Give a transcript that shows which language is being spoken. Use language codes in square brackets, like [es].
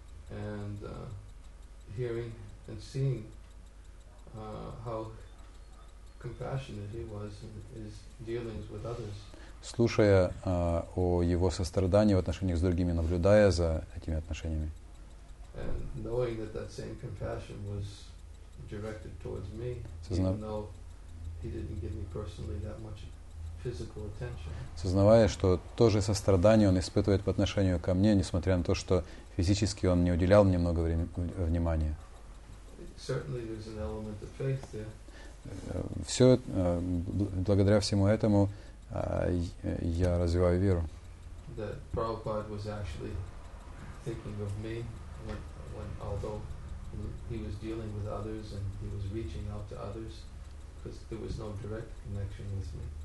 [en] and hearing and seeing how compassionate he was in his dealings with others. [ru] слушая о его сострадании в отношениях с другими, наблюдая за этими отношениями. [en] And knowing that that same compassion was directed towards me, even though he didn't give me personally that much physical attention. [ru] Сознавая, что то же сострадание он испытывает по отношению ко мне, несмотря на то, что физически он не уделял мне много внимания. [en] Certainly there's an element of faith there. [ru] Все благодаря всему этому я развиваю веру. [en] That Prabhupada was actually thinking of me. When, although he was dealing with others and he was reaching out to others, because there was no direct connection with me.